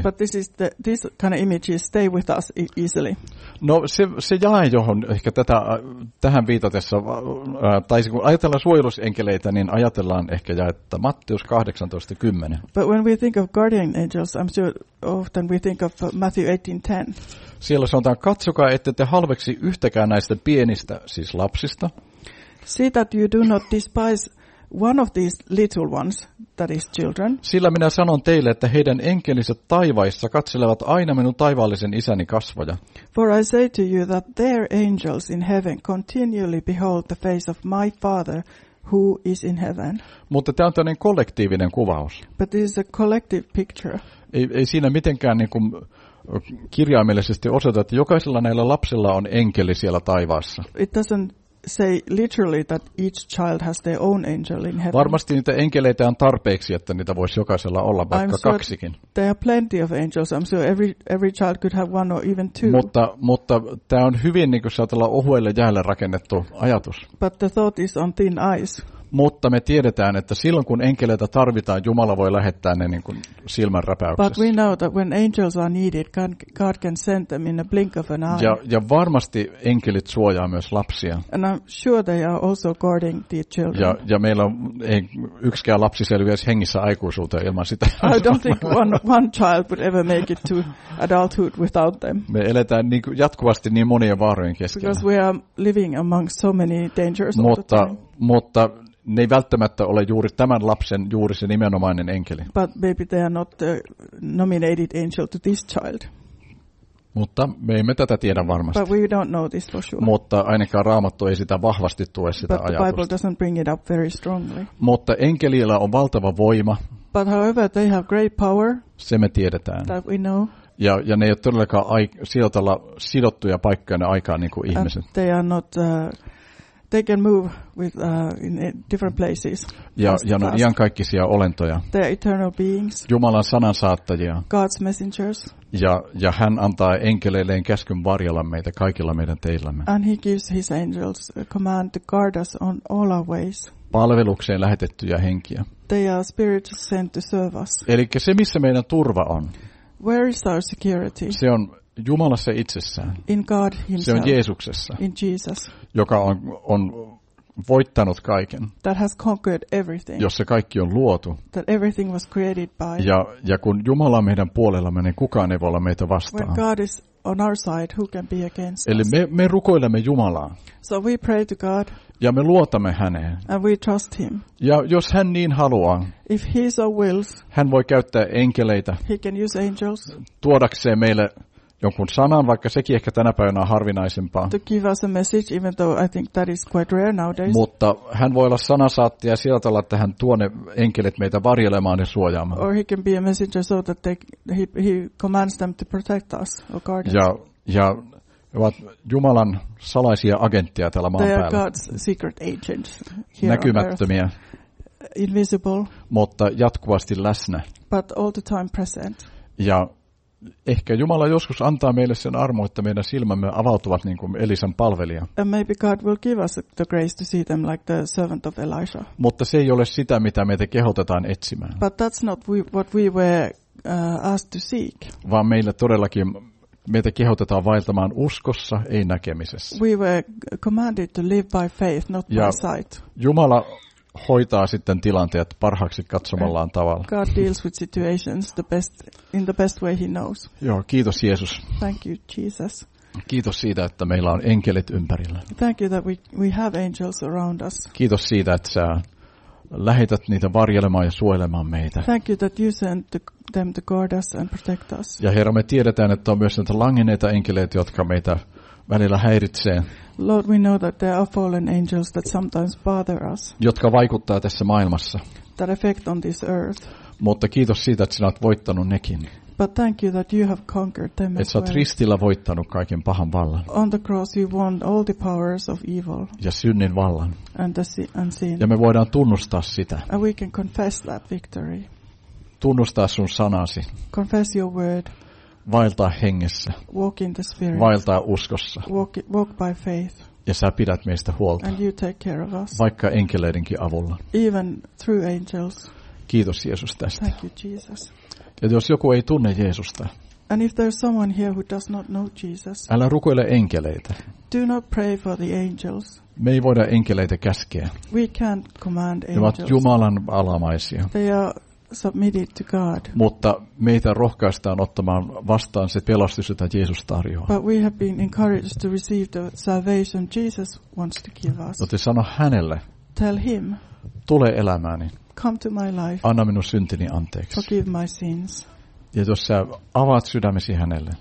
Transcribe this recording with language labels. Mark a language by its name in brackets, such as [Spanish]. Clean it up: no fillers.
[English] But this kind of images stay with us easily. [Finnish] No se jae, johon ehkä tähän viitatessa, tai kun ajatellaan suojelusenkeleitä, niin ajatellaan ehkä jaetta Matteus 18:10. [English] But when we think of guardian angels, I'm sure often we think of Matthew 18:10. [Finnish] Siellä sanotaan, katsokaa, ette te halveksi yhtäkään näistä pienistä, siis lapsista. [English] See that you do not despise one of these little ones, that is children. [Finnish] Sillä minä sanon teille, että heidän enkelinsä taivaissa katselevat aina minun taivaallisen isäni kasvoja. [English] For I say to you that their angels in heaven continually behold the face of my Father who is in heaven. [Finnish] Mutta tämä on tämmöinen kollektiivinen kuvaus. [English] But this is a collective picture. [Finnish] Ei siinä mitenkään niin kuin kirjaimellisesti osoita, että jokaisella näillä lapsilla on enkeli siellä taivaassa. [English] It doesn't say literally that each child has their own angel in heaven. [Finnish] Varmasti niitä enkeleitä on tarpeeksi, että niitä voisi jokaisella olla vaikka kaksikin. [English] There are plenty of angels. I'm sure every child could have one or even two. [Finnish] Mutta tämä on hyvin niin kuin saatella ohuelle jäälle rakennettu ajatus. [English] But the thought is on thin ice. [Finnish] Mutta me tiedetään, että silloin kun enkeleitä tarvitaan, Jumala voi lähettää ne niin kuin silmän räpäyksessä. [English] But we know that when angels are needed, God can send them in a blink of an eye. [Finnish] Ja varmasti enkelit suojaa myös lapsia. [English] And I'm sure they are also guarding the children. [Finnish] Ja meillä ei yksikään lapsi selviäisi hengissä aikuisuuteen ilman sitä. [English] I don't think one child would ever make it to adulthood without them. [Finnish] Me eletään niin kuin jatkuvasti niin monien vaarojen keskellä. [English] Because we are living among so many dangers. [Finnish] Mutta ne ei välttämättä ole juuri tämän lapsen juuri se nimenomainen enkeli. [English] But maybe they are not the nominated angel to this child. [Finnish] Mutta me emme tätä tiedä varmasti. [English] But we don't know this for sure. [Finnish] Mutta ainakaan Raamattu ei sitä vahvasti tue sitä ajatusta. [English] But the Bible doesn't bring it up very strongly. [Finnish] Mutta enkelillä on valtava voima. [English] But however they have great power. [Finnish] Se me tiedetään. [English] That we know. [Finnish] Ja ne ei ole todellakaan sidottuja paikkoja ne aikaan niin kuin ihmiset. [English] And they are not they can move with in different places. [Finnish] Ja no, ihan kaikkisia olentoja. [English] They are eternal beings. [Finnish] Jumalan sanan saattajia. [English] God's messengers. [Finnish] Ja hän antaa enkeleilleen käskyn varjella meitä kaikilla meidän teillämme. [English] And he gives his angels a command to guard us on all our ways. [Finnish] Palvelukseen lähetettyjä henkiä. [English] They are spirits sent to serve us. [Finnish] Elikkä se missä meidän turva on. [English] Where is our security? [Finnish] Se on Jumalassa itsessään. [English] In God himself. [Finnish] Se on Jeesuksessa. [English] In Jesus. [Finnish] Joka on voittanut kaiken. [English] That has conquered everything. [Finnish] Jossa kaikki on luotu. [English] That everything was created by. [Finnish] Ja kun Jumala on meidän puolellamme, niin kukaan ei voi olla meitä vastaan. [English] When God is on our side, who can be against us? [Finnish] Eli me rukoilemme Jumalaa. [English] So we pray to God. [Finnish] Ja me luotamme häneen. [English] And we trust him. [Finnish] Ja jos hän niin haluaa. [English] If he so wills. [Finnish] Hän voi käyttää enkeleitä. [English] He can use angels. [Finnish] Tuodakseen meille jonkun sanan, vaikka sekin ehkä tänä päivänä on harvinaisempaa. [English] To give us a message, even though I think that is quite rare nowadays. [Finnish] Mutta hän voi olla sanasaattia sillä tavalla, että hän tuo ne enkelit meitä varjelemaan ja suojaamaan. [English] Or he can be a messenger so that he commands them to protect us or guard us. [Finnish] Ja ovat Jumalan salaisia agentteja tällä maan päällä. [English] They are God's secret agents here on earth. [Finnish] Näkymättömiä. [English] Invisible. [Finnish] Mutta jatkuvasti läsnä. [English] But all the time present. [Finnish] Ja ehkä Jumala joskus antaa meille sen armo, että meidän silmämme avautuvat niin kuin Elisan palvelija. [English] And maybe God will give us the grace to see them like the servant of Elijah. [Finnish] Mutta se ei ole sitä, mitä meitä kehotetaan etsimään. [English] But that's not what we were asked to seek. [Finnish] Vaan meillä todellakin meitä kehotetaan vaeltamaan uskossa, ei näkemisessä. [English] We were commanded to live by faith, not [Finnish] ja [English] by sight. [Finnish] Jumala hoitaa sitten tilanteet parhaaksi katsomallaan tavalla. [English] God deals with situations the best in the best way he knows. [Finnish] Joo, kiitos Jeesus. [English] Thank you Jesus. [Finnish] Kiitos siitä, että meillä on enkelit ympärillä. [English] Thank you that we have angels around us. [Finnish] Kiitos siitä, että sä lähetät niitä varjelemaan ja suojelemaan meitä. [English] Thank you that you send them to guard us and protect us. [Finnish] Ja Herra, me tiedetään, että on myös näitä langenneita enkeleitä, jotka meitä välillä häiritsee. [English] Lord, we know that there are fallen angels that sometimes bother us. [Finnish] Jotka vaikuttaa tässä maailmassa. [English] That effect on this earth. [Finnish] Mutta kiitos siitä, että sinä olet voittanut nekin. [English] But thank you that you have conquered them as well. [Finnish] Että sinä olet ristillä voittanut kaiken pahan vallan. [English] On the cross you won all the powers of evil. [Finnish] Ja synnin vallan. [English] And sin. [Finnish] Ja me voidaan tunnustaa sitä. [English] And we can confess that victory. [Finnish] Tunnustaa sun sanasi. [English] Confess your word. [Finnish] Vaeltaa hengessä. [English] Walk in the spirit. [Finnish] Vaeltaa uskossa. [English] Walk by faith. [Finnish] Ja sä pidät meistä huolta. [English] And you take care of us. [Finnish] Vaikka enkeleidenkin avulla. [English] Even through angels. [Finnish] Kiitos Jeesus tästä. [English] Thank you Jesus. [Finnish] Ja jos joku ei tunne Jeesusta. [English] And if there's someone here who does not know Jesus. [Finnish] Älä rukoile enkeleitä. [English] Do not pray for the angels. [Finnish] Me ei voida enkeleitä käskeä. [English] We can't command angels. [Finnish] Ne ovat Jumalan alamaisia. [English] They are submitted to God. [Finnish] Mutta meitä rohkaistaan ottamaan vastaan se pelastus, jota Jeesus tarjoaa. [English] But we have been encouraged to receive the salvation Jesus wants to give us. [Finnish] Joten sano hänelle. [English] Tell him. [Finnish] Tule elämääni. [English] Come to my life. [Finnish] Anna minun syntini anteeksi. [English] Forgive my sins. [Finnish] Ja jos sä avaat sydämesi hänelle.